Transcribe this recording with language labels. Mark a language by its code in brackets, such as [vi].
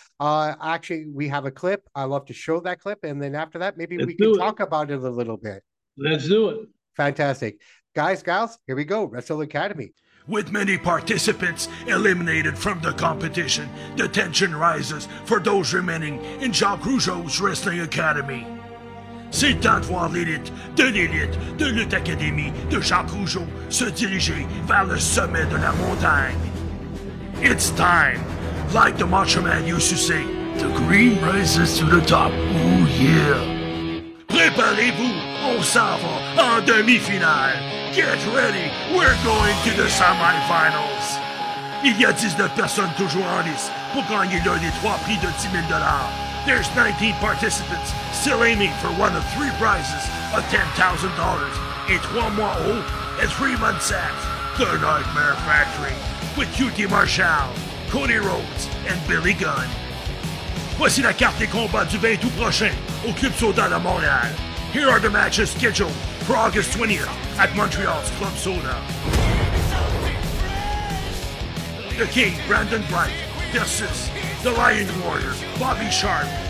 [en] Actually, we have a clip. I love to show that clip. And then after that, maybe we can talk about it a little bit. Let's do it. Fantastic. Guys, gals, here we go. Wrestle Academy. With many participants eliminated from the competition, the tension rises for those remaining in Jacque Rougeau's Wrestling Academy. [fr] C'est temps de voir l'élite de l'élite de lutte académie de Jacque Rougeau se diriger vers le sommet de la montagne. [en] It's time, like the Macho Man used to say, the green rises to the top, oh yeah. [fr] Préparez-vous, on s'en va en demi-finale. [en] Get ready, we're going to the semi-finals. [fr] Il y a 19 personnes toujours en lice pour gagner l'un des 3 prix de 10 000 $. [en] There's 19 participants still aiming for one of 3 prizes of $10,000 in 3 mois old and 3 months at The Nightmare Factory with QT Marshall, Cody Rhodes and Billy Gunn. [fr] Voici la carte des combats du 20 août prochain au Club Soda de Montréal. [en] Here are the matches scheduled for August 20th at Montreal's Club Soda. The King, Brandon Bright, versus The Lion Warrior, Bobby Sharp.